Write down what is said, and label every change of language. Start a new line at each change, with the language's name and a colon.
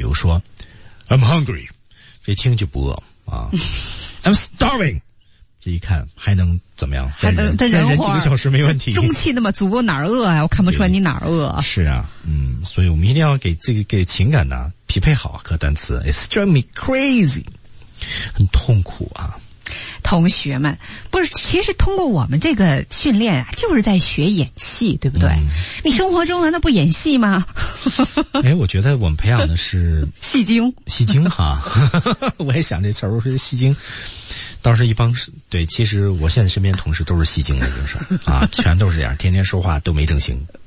Chinese: 比如说 ，
English: I'm hungry，
Chinese: 这听就不饿啊。
English: I'm starving，
Chinese: 这一看还能怎么样？再忍几个小时没问题。中气那么足，我哪儿饿啊？我看不出来你哪儿饿。是啊，所以我们一定要给这个给情感呢、匹配好和单词。
English: It's driving me crazy，
Chinese: 很痛苦啊。同学们，不是，其实通过我们这个训练啊，就是在学演戏，对不对？你生活中难道不演戏吗？哎，我觉得我们培养的是戏精，戏精哈。我也想这词儿，我说戏精，倒是一帮对，其实我现在身边同事都是戏精的，就是啊，全都是这样，天天说话都没正形，